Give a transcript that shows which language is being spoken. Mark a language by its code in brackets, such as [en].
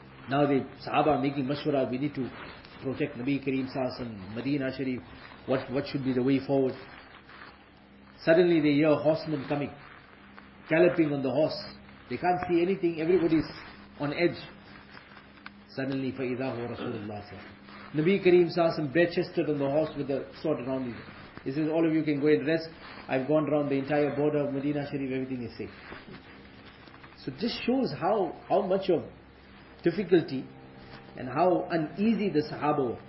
[en] Now the Sahaba are making mashwara, we need to protect Nabi Kareem Sallallahu Alaihi Wasallam, Medina Sharif. What should be the way forward? Suddenly they hear a horseman coming, galloping on the horse. They can't see anything, everybody's on edge. Suddenly, [ar] فَإِذَا هُوَ رَسُولُ اللَّهِ صَلَّى اللَّهُ عَلَيْهِ وَسَلَّمَ. [en] Nabi Kareem Sallallahu Alaihi Wasallam bare-chested on the horse with the sword around him. He says, "All of you can go and rest. I've gone around the entire border of Medina Sharif, everything is safe." So this shows how much of difficulty and how uneasy the Sahaba were.